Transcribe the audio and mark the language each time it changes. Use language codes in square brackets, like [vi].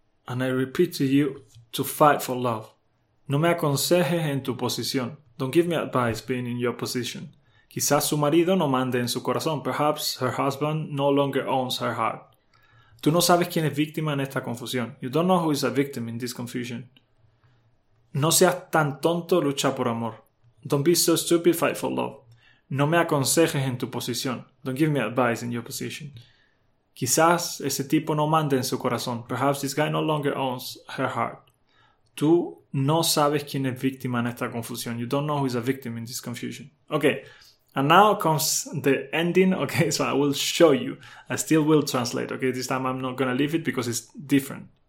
[en] And I repeat to you, to fight for love. [es] No me aconsejes en tu posición. [en] Don't give me advice being in your position. [es] Quizás su marido no mande en su corazón. [en] Perhaps her husband no longer owns her heart. [es] Tú no sabes quién es víctima en esta confusión. [en] You don't know who is a victim in this confusion. [es] No seas tan tonto, lucha por amor. [en] Don't be so stupid, fight for love. [es] No me aconsejes en tu posición. [en] Don't give me advice in your position. [es] Quizás ese tipo no mande en su corazón. [en] Perhaps this guy no longer owns her heart. [es] Tú no sabes quién es víctima en esta confusión. [en] You don't know who is a victim in this confusion. Okay, and now comes the ending. Okay, so I will show you. I still will translate. Okay, this time I'm not gonna leave it because it's different.